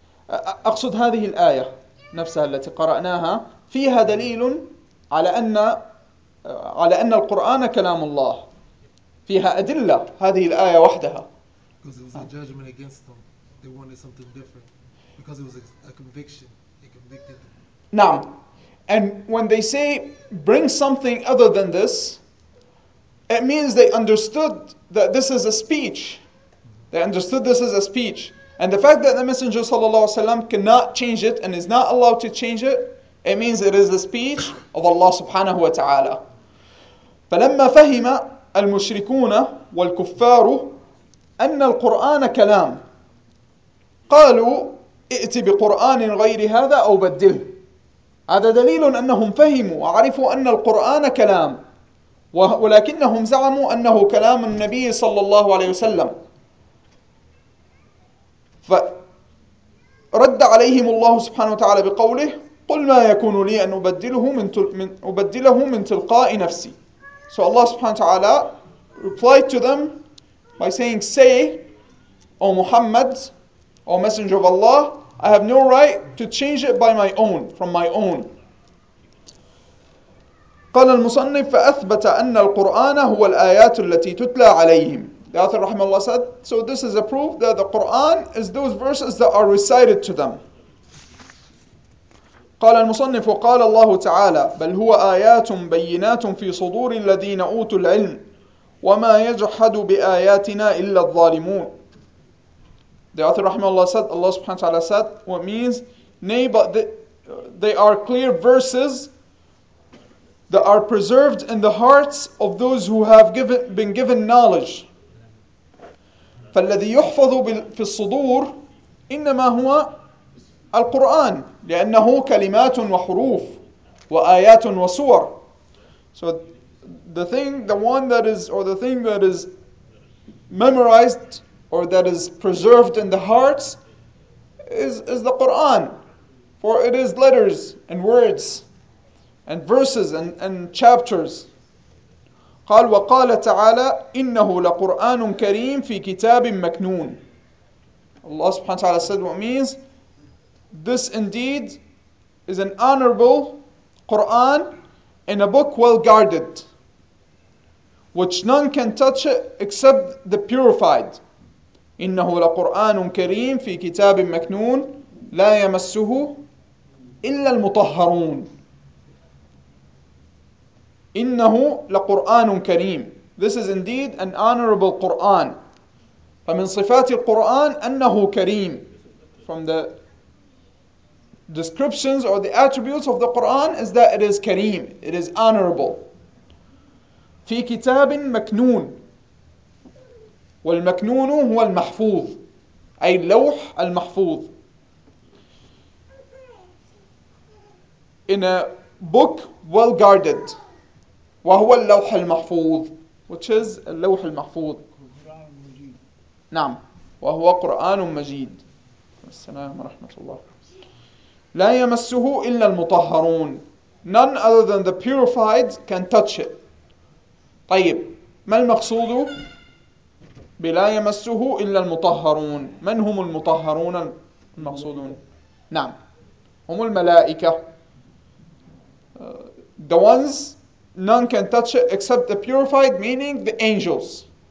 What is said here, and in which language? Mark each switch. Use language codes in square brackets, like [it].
[ar] أقصد هذه الآية نفسها التي قرأناها فيها دليل على أن القرآن كلام الله. فيها أدلة هذه الآية وحدها. [en] Because it was a judgment against them. They wanted something different. Because it was a conviction. They convicted them. Now, and when they say, bring something other than this, it means they understood that this is a speech. Mm-hmm. They understood this is a speech. And the fact that the Messenger ﷺ cannot change it and is not allowed to change it, it means it is the speech of Allah subhanahu wa ta'ala. [ar] فَلَمَّا فَهِمَ الْمُشْرِكُونَ وَالْكُفَّارُ أن القرآن كلام قالوا ائت بقرآن غير هذا أو بدله. هذا دليل أنهم فهموا وعرفوا أن القرآن كلام ولكنهم زعموا أنه كلام النبي صلى الله عليه وسلم. فرد عليهم الله سبحانه وتعالى بقوله قل ما يكون لي أن أبدله من تلقاء نفسي. [en] So Allah سبحانه وتعالى replied to them by saying, say, O Muhammad, O Messenger of Allah, I have no right to change it from my own. [ar] قال المصنف فأثبت أن القرآن هو الآيات التي تتلى عليهم. [en] The author, رحمه الله, said, so this is a proof that the Quran is those verses that are recited to them. [ar] قال المصنف وقال الله تعالى بل هو آيات بينات في صدور الذين أوتوا العلم وما يجحد بآياتنا إلا الظالمون. [en] The author رحمه الله said, Allah subhanahu wa ta'ala said, what means, nay, but they are clear verses that are preserved in the hearts of those who have been given knowledge. [ar] فالذي يحفظ في الصدور إنما هو القرآن لأنه كلمات وحروف وآيات وسور. [en] So the thing that is memorized or that is preserved in the hearts is the Quran, for it is letters and words and verses and chapters. [ar] قال وقال تعالى إنه لقرآن كريم في كتاب مكنون. [en] Allah subhanahu wa ta'ala said what means, this indeed is an honorable Quran in a book well guarded, which none can touch it except the purified. [ar] إنه لقرآن كريم في كتاب مكنون لا يمسه إلا المطهرون. إنه لقرآن كريم. [en] This is indeed an honorable Quran. [ar] فمن صفات القرآن أنه كريم. [en] From the descriptions or the attributes of the Quran is that it is كريم. It is honorable. [ar] في كتاب مكنون. والمكنون هو المحفوظ. أي اللوح المحفوظ. [en] In a book well guarded. [ar] وهو اللوح المحفوظ. [en] Which is اللوح المحفوظ. [ar] قرآن مجيد. نعم. وهو قرآن مجيد. السلام ورحمة الله. لا يمسه إلا المطهرون. [en] None other than the purified can touch it. [ar] طيب. ما المقصود بلا يمسه إلا المطهرون؟ من هم المطهرون المقصودون؟ نعم. هم الملائكة. [en] The ones none can touch it except the purified, meaning the angels.